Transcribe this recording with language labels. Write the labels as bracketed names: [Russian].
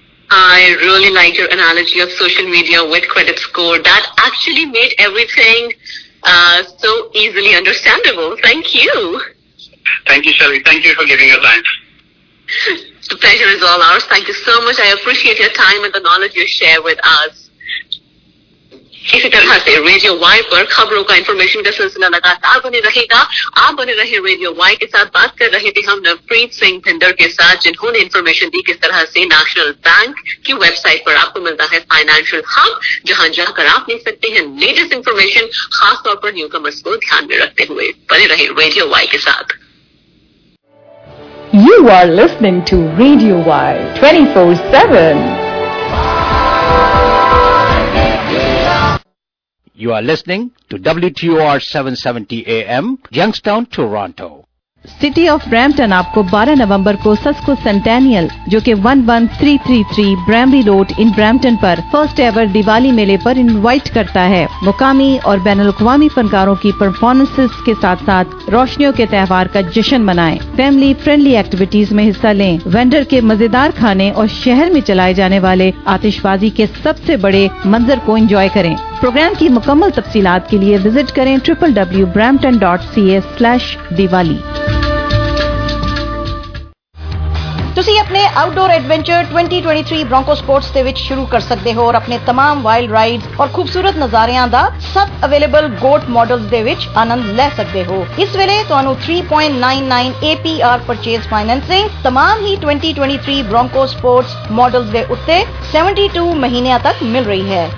[English] I really like your analogy of social media with credit score. That actually made everything so easily understandable. Thank you. Thank you, Shelby. Thank you for giving your time. The pleasure is all ours. Thank you so much. I appreciate your time and the knowledge you share with us. [Hindi] इसी तरह से radio Y पर खबरों का information का सिलसिला लगातार बने रहेगा. आप बने रहे रेडियो वाई के साथ. बात कर रहे थे हम नवप्रीत सिंह भिंडर के साथ, जिन्होंने इन्फॉर्मेशन दी किस तरह से नेशनल बैंक की वेबसाइट पर आपको मिलता है फाइनेंशियल हब, जहां जाकर आप देख सकते हैं लेटेस्ट इन्फॉर्मेशन, खासतौर पर न्यू कमर्स को ध्यान में रखते हुए. बने रहे रेडियो वाई के साथ. [English] You are listening to radio Y 24/7. You are listening to WTOR 770 AM, Youngstown, Toronto. [Hindi] City of Brampton आपको 12 नवंबर को सस्को सेंटेनियल, जो कि 11333 ब्रैम्बी रोड इन ब्रैम्पटन पर फर्स्ट एवर दिवाली मेले पर इनवाइट करता है. मुकामी और बैन अल्कवामी फनकारों की परफॉर्मेंसेस के साथ साथ रोशनियों के त्यौहार का जश्न मनाएं. फैमिली फ्रेंडली एक्टिविटीज में हिस्सा लें. वेंडर के मजेदार खाने और शहर में चलाए जाने वाले आतिशबाजी के सबसे बड़े मंजर को एंजॉय करें. प्रोग्राम की मुकम्मल तफसीलात के लिए विजिट करें www.brampton.ca/diwali. [Punjabi] ਤੁਸੀਂ ਆਪਣੇ ਆਊਟਡੋਰ ਐਡਵੈਂਚਰ 2023 ਬ੍ਰੋਂਕੋ ਸਪੋਰਟਸ ਦੇ ਵਿੱਚ ਸ਼ੁਰੂ ਕਰ ਸਕਦੇ ਹੋ, ਔਰ ਆਪਣੇ ਤਮਾਮ ਵਾਈਲਡ ਰਾਈਡਸ ਔਰ ਖੂਬਸੂਰਤ ਨਜ਼ਾਰਿਆਂ ਦਾ 7 ਅਵੇਲੇਬਲ ਗੋਟ ਮਾਡਲਸ ਦੇ ਵਿੱਚ ਆਨੰਦ ਲੈ ਸਕਦੇ ਹੋ. ਇਸ ਵੇਲੇ ਤੁਹਾਨੂੰ 3.99 APR ਪਰਚੇਸ ਫਾਈਨੈਂਸਿੰਗ ਤਮਾਮ ਹੀ 2023 ਬ੍ਰੋਂਕੋ ਸਪੋਰਟਸ ਮਾਡਲਸ ਦੇ ਉੱਤੇ 72 ਮਹੀਨਿਆਂ ਤੱਕ ਮਿਲ ਰਹੀ ਹੈ.